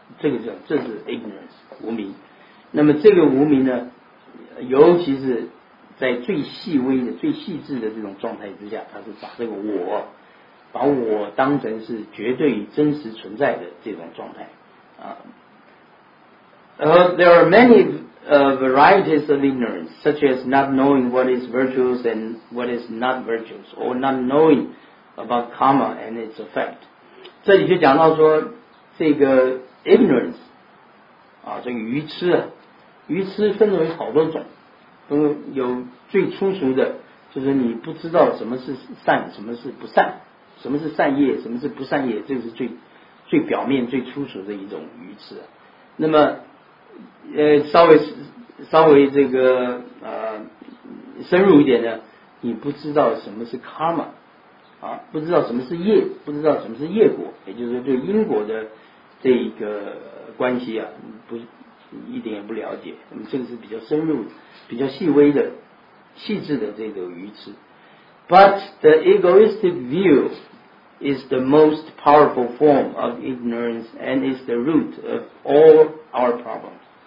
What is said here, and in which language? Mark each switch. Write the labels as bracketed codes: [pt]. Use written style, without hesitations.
[zh] 这是 ignorance 无明。那么这个无明呢，尤其是在最细微的、最细致的这种状态之下，它是把这个我。把我当成是绝对真实存在的这种状态啊。 [en] There are many varieties of ignorance, such as not knowing what is virtuous and what is not virtuous, or not knowing about karma and its effect. [zh] 这里就讲到说，这个 ignorance 啊，这个愚痴分为好多种，有最粗俗的，就是你不知道什么是善，什么是不善，什么是善业，什么是不善业，这是最最表面最粗俗的一种愚痴。那么稍微这个深入一点呢，你不知道什么是 karma 啊，不知道什么是业，不知道什么是业果，也就是对因果的这一个关系啊，不一点也不了解。那么这个是比较深入比较细微的细致的这个愚痴。 [en] But the egoistic view is the most powerful form of ignorance and is the root of all our problems.